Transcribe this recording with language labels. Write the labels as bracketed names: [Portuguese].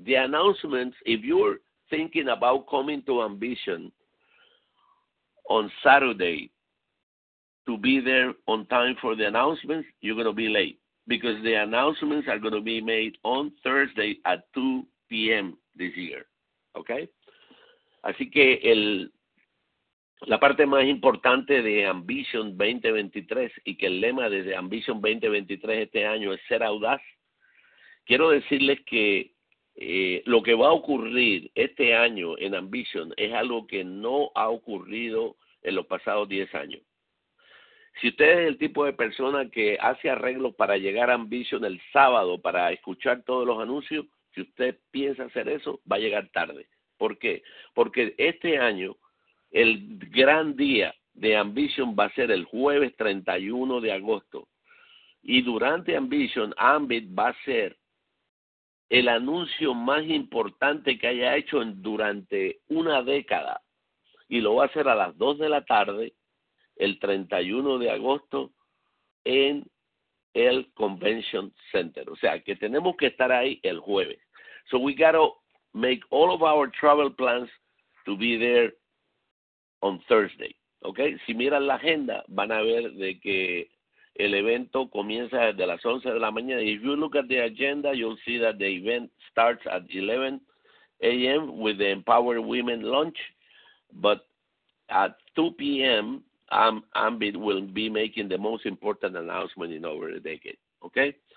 [English] The announcements, if you're thinking about coming to Ambition on Saturday, to be there on time for the announcements, you're going to be late, because the announcements are going to be made on Thursday at 2 p.m. this year, okay? [Spanish] Así que la parte más importante de Ambition 2023 y que el lema de Ambition 2023 este año es ser audaz, quiero decirles que lo que va a ocurrir este año en Ambition es algo que no ha ocurrido en los pasados 10 años. Si usted es el tipo de persona que hace arreglos para llegar a Ambition el sábado para escuchar todos los anuncios, si usted piensa hacer eso, va a llegar tarde. ¿Por qué? Porque este año el gran día de Ambition va a ser el jueves 31 de agosto. Y durante Ambition, Ambit va a ser el anuncio más importante que haya hecho durante una década. Y lo va a hacer a las 2 de la tarde, el 31 de agosto, en el Convention Center. O sea, que tenemos que estar ahí el jueves. [English] So we got to make all of our travel plans to be there on Thursday. Okay? [Spanish] Si miran la agenda, van a ver de que el evento comienza desde las 11 de la mañana. [English] If you look at the agenda, you'll see that the event starts at 11 a.m. with the Empower Women launch. But at 2 p.m., Ambit will be making the most important announcement in over a decade. Okay?